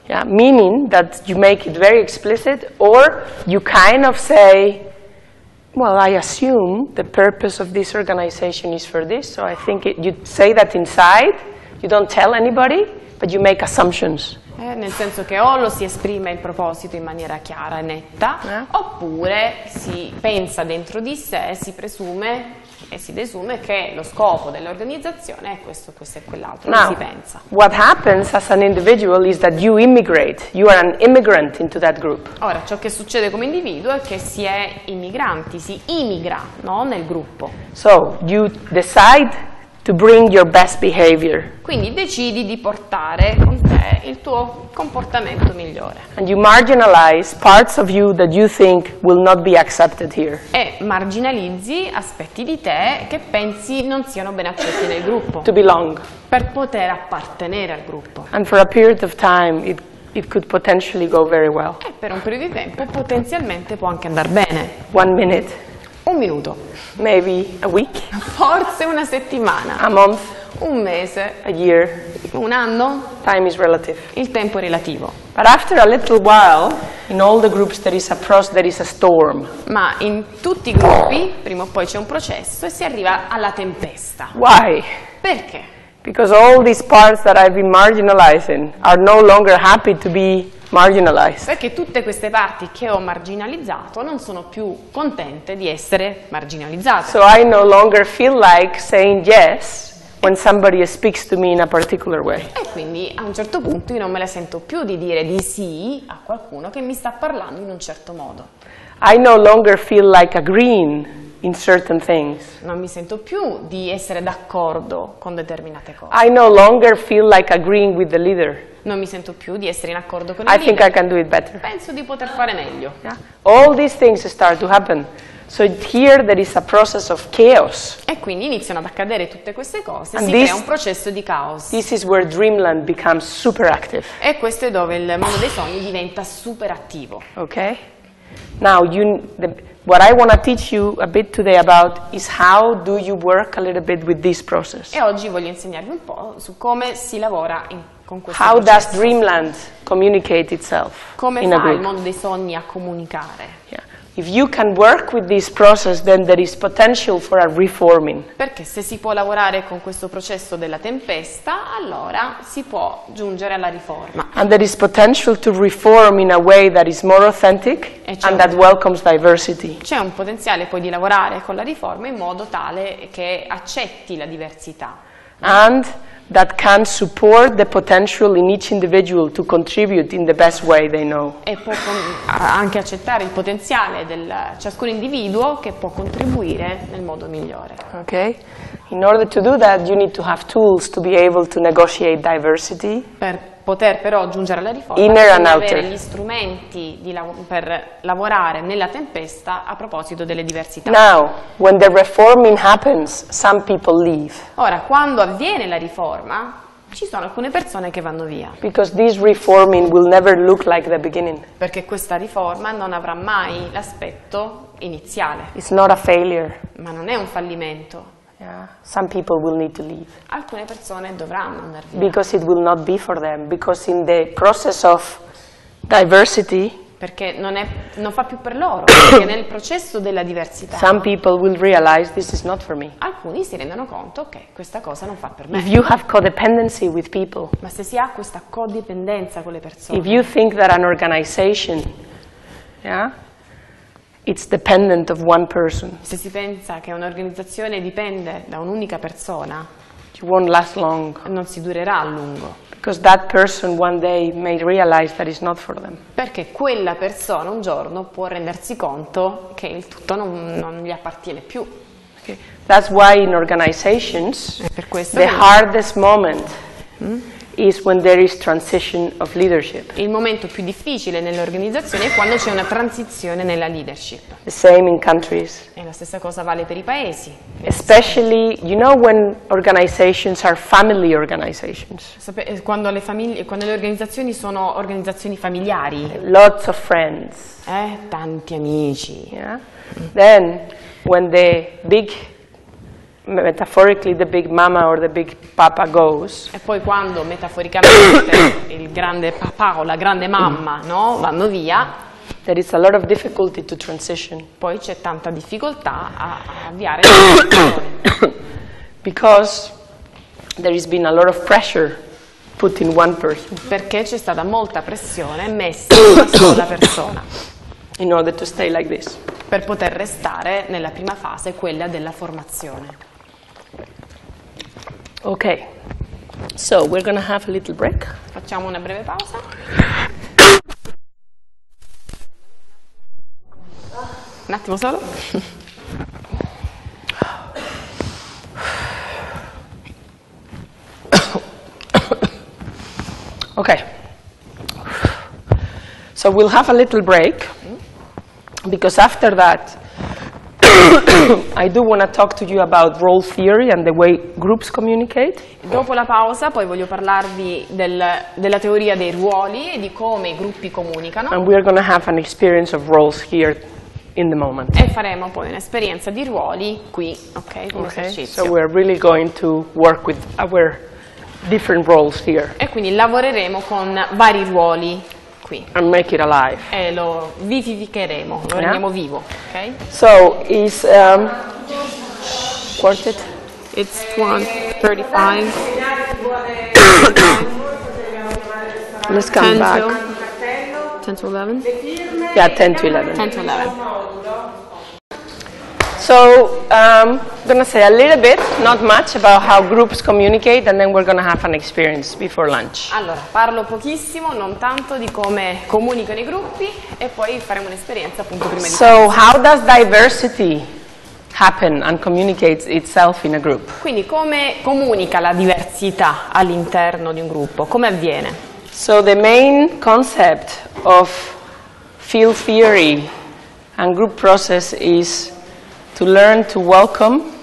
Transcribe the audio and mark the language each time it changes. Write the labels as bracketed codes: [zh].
[en] Yeah, meaning that you make it very explicit or you kind of say, well, I assume the purpose of this organization is for this, so I think you say that inside, you don't tell anybody, but you make assumptions. [it] Nel senso che o lo si esprime il proposito in maniera chiara e netta, [en] yeah, [it] oppure si pensa dentro di sé, si presume e si desume che lo scopo dell'organizzazione è questo, questo e quell'altro. [en] Now, [it] si pensa. [en] What happens as an individual is that you immigrate, you are an immigrant into that group. [it] Ora, ciò che succede come individuo è che si è immigranti, si immigra, no, nel gruppo. [en] So, you decide to bring your best behavior. [it] Quindi decidi di portare con te il tuo comportamento migliore. [en] And you marginalize parts of you that you think will not be accepted here. [it] E marginalizzi aspetti di te che pensi non siano ben accetti nel gruppo. [en] To belong. [it] Per poter appartenere al gruppo. [en] And for a period of time it could potentially go very well. [it] E per un periodo di tempo potenzialmente può anche andare bene. [en] One minute. [it] Un minuto. [en] Maybe a week. [it] Forse una settimana. [en] A month. [it] Un mese. [en] A year. [it] Un anno. [en] Time is relative. [it] Il tempo è relativo. [en] But after a little while, in all the groups there is a storm. [it] Ma in tutti i gruppi, prima o poi c'è un processo e si arriva alla tempesta. [en] Why? [it] Perché? [en] Because all these parts that I've been marginalizing are no longer happy to be marginalized. [it] Perché tutte queste parti che ho marginalizzato non sono più contente di essere marginalizzate. [en] So I no longer feel like saying yes when somebody speaks to me in a particular way. [it] E quindi a un certo punto io non me la sento più di dire di sì a qualcuno che mi sta parlando in un certo modo. [en] I no longer feel like agreeing in certain things. [it] Non mi sento più di essere d'accordo con determinate cose. [en] I no longer feel like agreeing with the leader. [it] Non mi sento più di essere in accordo con [en] I [it] il leader. [en] I can do it better. [it] Penso di poter fare meglio. [en] Yeah. All these things start to happen. So here there is a process of chaos. [it] E quindi iniziano ad accadere tutte queste cose, and si crea un processo di caos. [en] This is where Dreamland becomes super active. [it] E questo è dove il mondo dei sogni diventa super attivo. [en] Okay? Now you what I want to teach you a bit today about is how do you work a little bit with this process. [it] E oggi voglio insegnarvi un po' su come si lavora in con questo [en] how [it] processo. [en] Does Dreamland communicate itself? [it] Come [en] in [it] fa [en] a group? [it] Il mondo dei sogni a comunicare? [en] Yeah. If you can work with this process, then there is potential for a reforming. [it] Perché se si può lavorare con questo processo della tempesta, allora si può giungere alla riforma. [en] And there is potential to reform in a way that is more authentic and that welcomes diversity. [it] C'è un potenziale poi di lavorare con la riforma in modo tale che accetti la diversità. [en] And that can support the potential in each individual to contribute in the best way they know. [it] E può anche accettare il potenziale del ciascun individuo che può contribuire nel modo migliore. [en] Okay. In order to do that, you need to have tools to be able to negotiate diversity. [it] Per poter però giungere alla riforma, [en] inner and [it] avere [en] outer. [it] Gli strumenti di per lavorare nella tempesta a proposito delle diversità. [en] Now, when the reforming happens, some people leave. [it] Ora, quando avviene la riforma, ci sono alcune persone che vanno via. [en] Because this reforming will never look like the beginning. [it] Perché questa riforma non avrà mai l'aspetto iniziale. [en] It's not a failure. [it] Ma non è un fallimento. [en] Yeah. Some people will need to leave. [it] Alcune persone dovranno andare via. [en] Because it will not be for them. Because in the process of diversity. [it] Perché non fa più per loro. Perché nel processo della diversità. [en] Some people will realize this is not for me. [it] Alcuni si rendono conto che questa cosa non fa per me. [en] If you have codependency with people. [it] Ma se si ha questa codipendenza con le persone. [en] If you think that an organization. Yeah. It's dependent of one person. [it] Se si pensa che un'organizzazione dipende da un'unica persona, [en] you won't last long. [it] Non si durerà a lungo. [en] Because that person one day may realize that it's not for them. [it] Perché quella persona un giorno può rendersi conto che il tutto non gli appartiene più. [en] Okay. That's why in organizations, [it] per questo [en] the hardest moment. Is when there is transition of leadership. [it] Il momento più difficile nell'organizzazione è quando c'è una transizione nella leadership. [en] The same in countries. [it] E la stessa cosa vale per i paesi. [en] Especially, you know, when organizations are family organizations. [it] Quando le organizzazioni sono organizzazioni familiari. [en] Lots of friends. [it] Tanti amici. [en] Yeah. Then, when the big metaphorically the big mama or the big papa goes. [it] E poi quando metaforicamente il grande papà o la grande mamma, no, vanno via. [en] There is a lot of difficulty to transition. [it] Poi c'è tanta difficoltà a avviare la transizione. [en] Because there has been a lot of pressure put in one person. [it] Perché c'è stata molta pressione messa in una sola persona. [en] In order to stay like this. [it] Per poter restare nella prima fase, quella della formazione. [en] Okay, so we're gonna have a little break. [it] Facciamo una breve pausa. Un attimo solo. [en] Okay, so we'll have a little break because after that. I do want to talk to you about role theory and the way groups communicate. [it] Dopo la pausa, poi voglio parlarvi della teoria dei ruoli e di come i gruppi comunicano. [en] And we are going to have an experience of roles here in the moment. [it] E faremo poi un'esperienza di ruoli qui, okay? [en] So we are really going to work with our different roles here. [it] E quindi lavoreremo con vari ruoli. [en] And make it alive. [it] E lo vivificheremo, lo rendiamo vivo. Okay? [en] So is quarter? It's 1:35. Let's come 10 back. 10 to 11. Yeah, 10 to 11. 10 to 11. So I'm going to say a little bit, not much, about how groups communicate, and then we're going to have an experience before lunch. [it] Allora, parlo pochissimo, non tanto, di come comunicano i gruppi, e poi faremo un'esperienza appunto prima di So pensare. [en] How does diversity happen and communicates itself in a group? [it] Quindi come comunica la diversità all'interno di un gruppo? Come avviene? [en] So the main concept of field theory and group process is to learn to welcome.